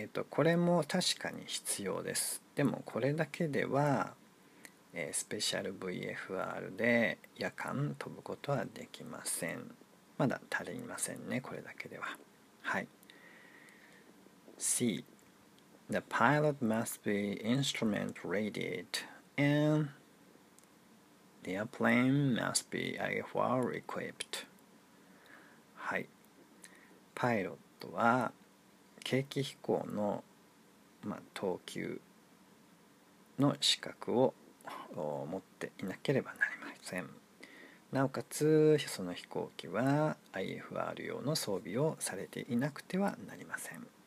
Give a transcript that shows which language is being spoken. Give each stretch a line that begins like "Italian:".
Japanese: これも確かに必要です。でもこれだけでは、スペシャル VFR で夜間飛ぶことはできません。まだ足りませんね、これだけでは。はい。
English: C. The pilot must be instrument ready and the airplane must be IFR equipped.
Japanese: はい。パイロットは計器飛行の、まあ、等級の資格を持っていなければなりません。なおかつその飛行機は IFR 用の装備をされていなくてはなりません。